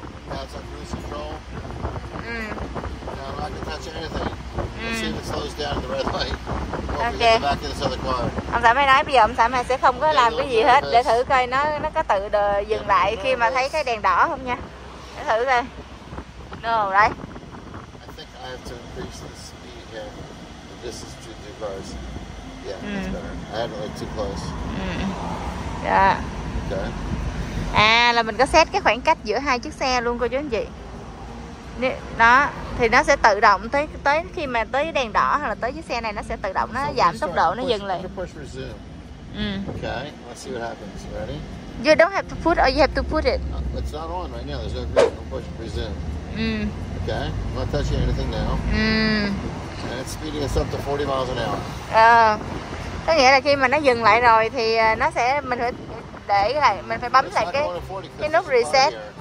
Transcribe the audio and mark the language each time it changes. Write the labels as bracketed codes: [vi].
[en] That's a cruise control. Mm. I can touch anything. See if it slows down the red light. Okay. The back of this other car. [vi] Ông xã mày nói bây giờ ông xã mày sẽ không có làm cái gì hết để thử coi nó có tự dừng lại khi mà thấy cái đèn đỏ không nha. Để thử coi. [en] No, right? I think I have to increase the speed here. The distance between two cars. Yeah, it's better. I had it like too close. Mm. Yeah. Okay. [vi] Là mình có set cái khoảng cách giữa hai chiếc xe luôn cô chú anh chị. Đó, thì nó sẽ tự động tới khi mà tới đèn đỏ hoặc là tới chiếc xe này nó sẽ tự động nó giảm tốc độ, nó dừng lại. [en] Okay, let's see what happens. Ready? You don't have to put or you have to put it? It's not on right now. There's no green. No push resume. Mm. Okay, I'm not touching anything now. Mm. And it's speeding us up to 40 miles an hour. [vi] Có nghĩa là khi mà nó dừng lại rồi thì nó sẽ mình phải để lại, mình phải bấm lại cái nút reset.